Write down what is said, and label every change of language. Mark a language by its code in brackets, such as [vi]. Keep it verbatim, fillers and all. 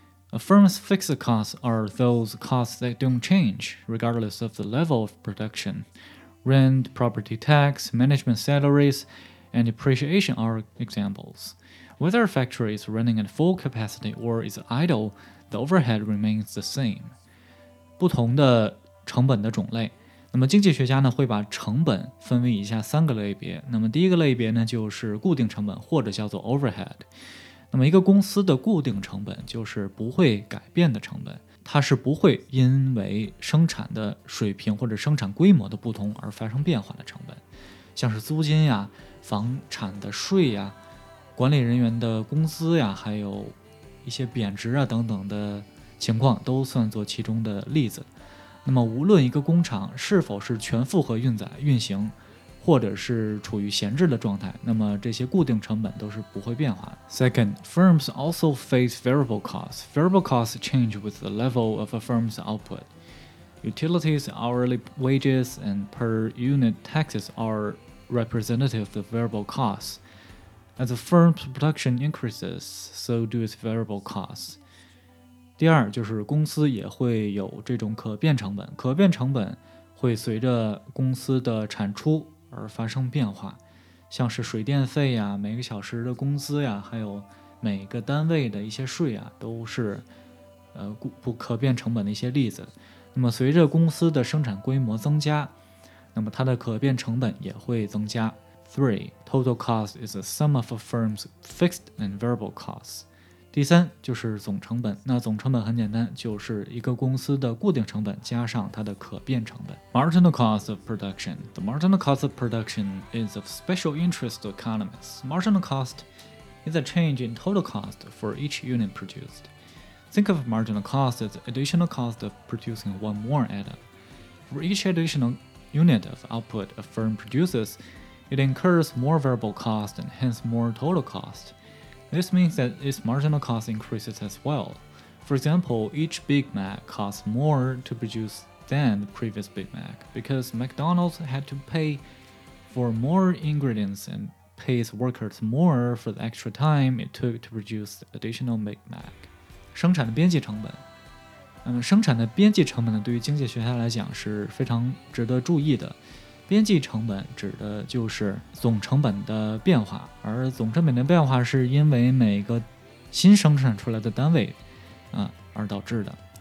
[en] A firm's fixed costs are those costs that don't change, regardless of the level of production. Rent, property tax, management salaries, and depreciation are examples. Whether a factory is running at full capacity or is idle, the overhead remains the same. [zh] 不同的成本的种类，那么经济学家呢会把成本分为以下三个类别。那么第一个类别呢就是固定成本，或者叫做 overhead。那么一个公司的固定成本就是不会改变的成本，它是不会因为生产的水平或者生产规模的不同而发生变化的成本，像是租金呀、房产的税呀。管理人员的工资呀，还有一些贬值啊等等的情况都算作其中的例子。那么无论一个工厂是否是全负荷运载运行，或者是处于闲置的状态，那么这些固定成本都是不会变化的。 [en] Second, firms also face variable costs. Variable costs change with the level of a firm's output. Utilities, hourly wages, and per unit taxes are representative of variable costs. As a firm's production increases, so do its variable costs. [zh] 第二就是公司也会有这种可变成本，可变成本会随着公司的产出而发生变化，像是水电费呀、每个小时的工资呀，还有每个单位的一些税啊，都是呃不可变成本的一些例子。那么随着公司的生产规模增加，那么它的可变成本也会增加。 [en] Three, total cost is the sum of a firm's fixed and variable costs. [zh] 第三就是总成本，那总成本很简单，就是一个公司的固定成本加上它的可变成本。 [en] Marginal cost of production. The marginal cost of production is of special interest to economists. Marginal cost is a change in total cost for each unit produced. Think of marginal cost as additional cost of producing one more item. For each additional unit of output a firm produces, it incurs more variable cost and hence more total cost. This means that its marginal cost increases as well. For example, each Big Mac costs more to produce than the previous Big Mac because McDonald's had to pay for more ingredients and pays workers more for the extra time it took to produce the additional Big Mac. [zh] 生产的边际成本。嗯，生产的边际成本呢，对于经济学家来讲是非常值得注意的。边际成本指的就是总成本的变化，而总成本的变化是因为每个新生产出来的单位、呃、而导致的。